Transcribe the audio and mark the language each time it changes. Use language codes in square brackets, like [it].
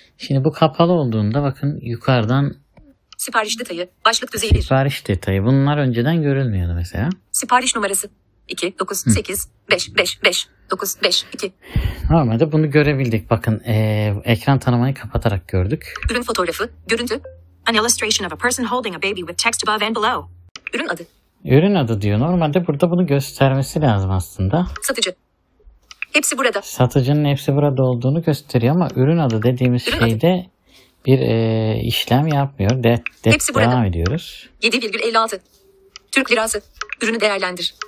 [tr] Şimdi bu kapalı olduğunda bakın yukarıdan sipariş detayı, başlık düzeyi. Sipariş detayı. Bunlar önceden görülmüyordu mesela. Sipariş numarası 2 9 8 5 5 5 9 5 2. Normalde bunu görebildik. Bakın, ekran tanımayı kapatarak gördük. Ürün fotoğrafı, görüntü. [en] An illustration of a person holding a baby with text above and below. [tr] Ürün adı. Ürün adı diyor. Normalde burada bunu göstermesi lazım aslında. Satıcı. Hepsi burada. Satıcının hepsi burada olduğunu gösteriyor ama ürün adı dediğimiz şeyde bir işlem yapmıyor. Hepsi burada. Devam ediyoruz. 7,56. Türk lirası. Ürünü değerlendir.